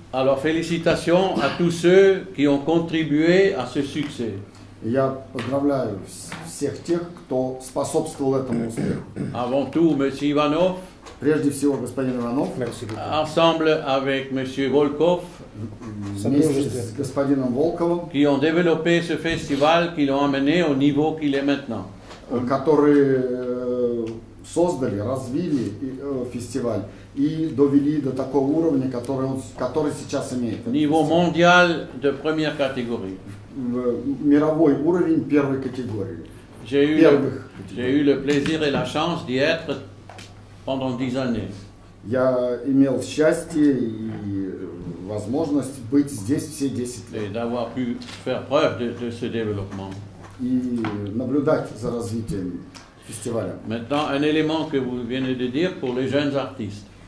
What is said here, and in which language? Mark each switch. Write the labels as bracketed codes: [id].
[fr] Alors félicitations à tous ceux qui ont contribué à ce succès. [ru] Я поздравляю всех тех, кто способствовал этому успеху. [fr] Avant tout, monsieur Ivanov. [ru] Прежде всего, господин Иванов. [fr] Ensemble avec monsieur Volkov. [ru] Вместе с господином Волковым. [fr] Qui ont développé ce festival, qui l'ont amené au niveau qu'il est maintenant. [ru] Которые создали, развили фестиваль и довели до такого уровня, который сейчас имеет. [fr] Niveau mondial de première catégorie. [ru] Мировой уровень первой категории. [fr] J'ai eu le plaisir et la chance d'y être pendant 10 années. [ru] Я имел счастье и возможность быть здесь все 10 лет. [fr] Et d'avoir pu faire preuve de ce développement. [ru] И наблюдать за развитием фестиваля. [fr] Maintenant un élément que vous venez de dire pour les jeunes artistes.